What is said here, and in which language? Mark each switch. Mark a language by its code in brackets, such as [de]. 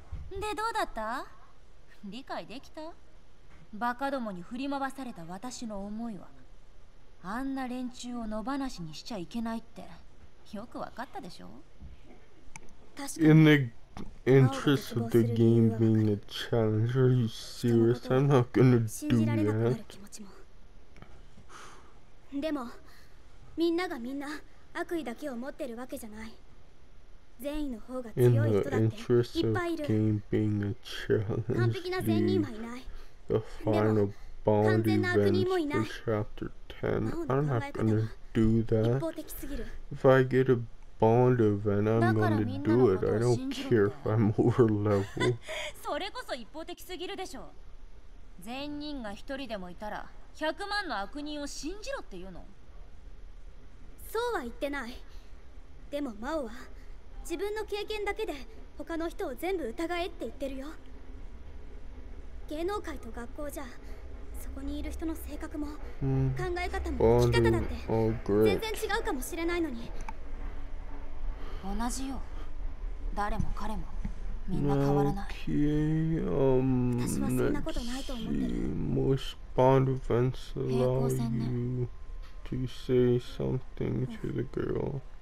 [ja] でどうだった？理解できた？バカどもに振り回された私の思いは、あんな連中を野放しにしちゃいけないってよく分かったでしょ。 [en] In the interest of the game being a challenge, are you serious? I'm not gonna do that. [ja] でも、みんながみんな悪意だけを持ってるわけじゃない。善意の方が強い人だっていっぱいいる。完璧な善人はいない。でも、完全な悪人もいない。 [en] Chapter 10. I'm not gonna do that. [ja] 一方的すぎる。 [en] If I get a Bond event, I'm gonna do it. I don't care if I'm over level. [ja] それこそ一方的すぎるでしょう。善人が一人でもいたら、百万の悪人を信じろっていうの？そうは言ってない。でも魔王は自分の経験だけで他の人を全部疑えって言ってるよ。芸能界と学校じゃそこここにいる人の性格も考え方も生き方だって全然違うかもしれないのに同じよ誰も彼もみんな変わらない [en] okay, [ja] 私はそんなことないと思ってる [en] Bond events allow you to say something to the girl.